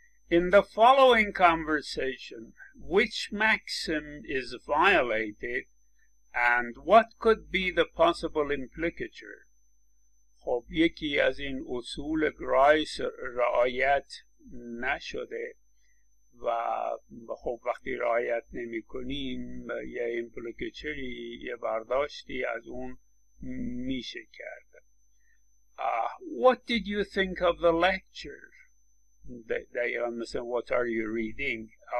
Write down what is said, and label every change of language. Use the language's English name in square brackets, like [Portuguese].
[English] In the following conversation, which maxim is violated and what could be the possible implicature? [Persian] خب یکی از این اصول گرایس رعایت نشده و خب وقتی رعایت نمی کنیم یه implicature، یه برداشتی از اون میشه کرد. [English] What did you think of the lecture? They said, what are you reading?